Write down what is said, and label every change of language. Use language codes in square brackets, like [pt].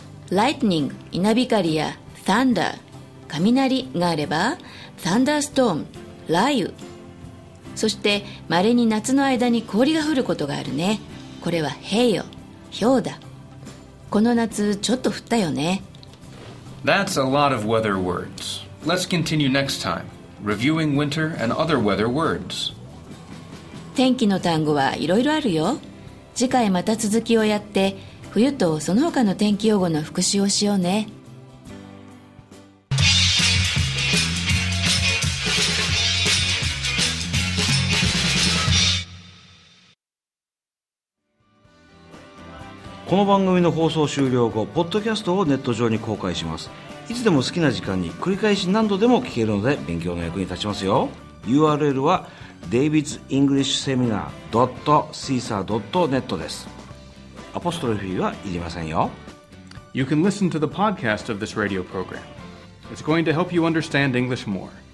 [ja] lightning 稲光や thunder 雷があれば thunderstorm 雷雨。そしてまれに夏の間に氷が降ることがあるね。これは hail 氷だ。この夏ちょっと降ったよね。 [en] That's a lot of weather words. Let's continue next time, reviewing winter and other weather words. [ja] 天気の単語はいろいろあるよ。次回また続きをやって冬とその他の天気用語の復習をしようね。この番組の放送終了後、ポッドキャストをネット上に公開します。いつでも好きな時間に繰り返し何度でも聞けるので勉強の役に立ちますよ。 URL は davidsenglishseminar.cesar.net です。アポストロフィーはいりませんよ。 [en] You can listen to the podcast of this radio program. It's going to help you understand English more.